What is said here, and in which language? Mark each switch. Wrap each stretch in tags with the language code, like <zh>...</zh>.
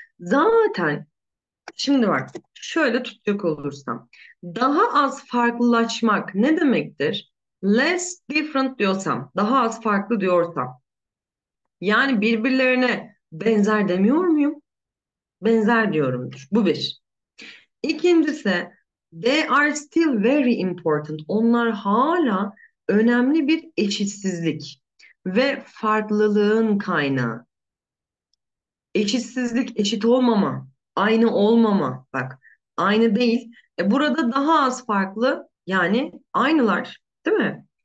<tr>Zaten şimdi bak, şöyle tutacak olursam, daha az farklılaşmak ne demektir? Less different diyorsam, daha az farklı diyorsam, yani birbirlerine benzer demiyor muyum? Benzer diyorumdur. Bu bir.</tr> <en>İkincisi, they are still very important.</en> <tr>Onlar hala önemli bir eşitsizlik ve farklılığın kaynağı. Eşitsizlik, eşit olmama, aynı olmama. Bak, aynı değil. Burada daha az farklı, yani aynılar, değil mi?</tr>